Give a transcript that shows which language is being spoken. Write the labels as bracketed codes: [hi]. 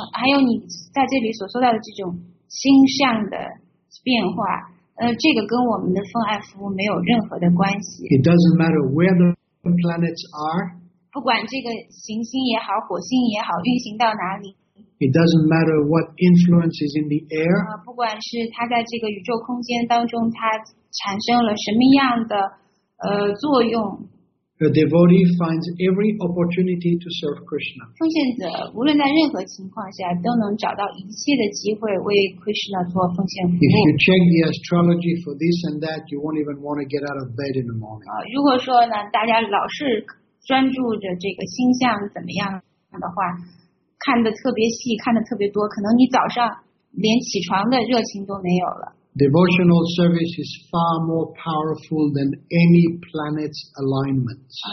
[zh] 还有你在这里所说到的这种星象的变化，这个跟我们的奉爱服务没有任何的关系。 [en] It doesn't matter where the planets are. [zh] 不管这个行星也好，火星也好，运行到哪里。 [en] It doesn't matter what influence is in the air. [zh] 不管是它在这个宇宙空间当中，它产生了什么样的作用。 [en] A devotee finds every opportunity to serve Krishna. [zh] 奉献者无论在任何情况下都能找到一切的机会为 Krishna 做奉献服务。 [en] If you check the astrology for this and that, you won't even want to get out of bed in the morning. [zh] 如果说呢，大家老是专注着这个星象怎么样的话，看得特别细，看得特别多，可能你早上连起床的热情都没有了。 [en] Devotional service is far more powerful than any planet's alignment.